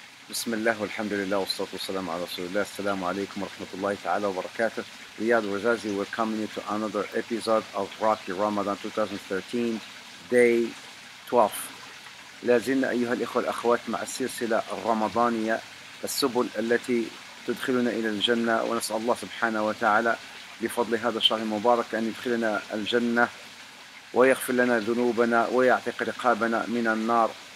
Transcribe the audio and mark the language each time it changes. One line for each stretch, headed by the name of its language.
Arabic: بسم الله والحمد لله والصلاة والسلام على رسول الله. السلام عليكم ورحمة الله تعالى وبركاته.
English: رياض وزازي, we're coming to another episode of Rocky Ramadan 2013 day 12.
Arabic: لازلنا أيها الإخوة الأخوات مع السلسلة الرمضانية, السبل التي تدخلنا إلى الجنة, ونسأل الله سبحانه وتعالى بفضل هذا الشهر المبارك أن يدخلنا الجنة ويغفر لنا ذنوبنا ويعتق رقابنا من النار.